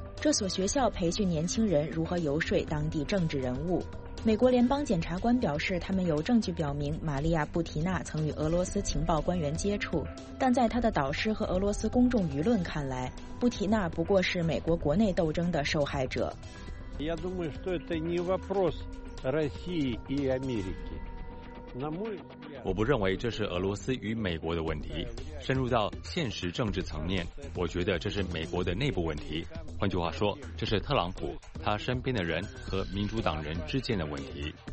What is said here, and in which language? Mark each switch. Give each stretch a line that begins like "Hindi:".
Chinese: 这所学校培训年轻人如何游说当地政治人物。美国联邦检察官表示，他们有证据表明玛利亚·布提娜曾与俄罗斯情报官员接触，但在他的导师和俄罗斯公众舆论看来，布提娜不过是美国国内斗争的受害者。
Russian: Я думаю, что это не вопрос России и Америки.
Chinese: 我不认为这是俄罗斯与美国的问题。深入到现实政治层面，我觉得这是美国的内部问题。换句话说，这是特朗普他身边的人和民主党人之间的问题。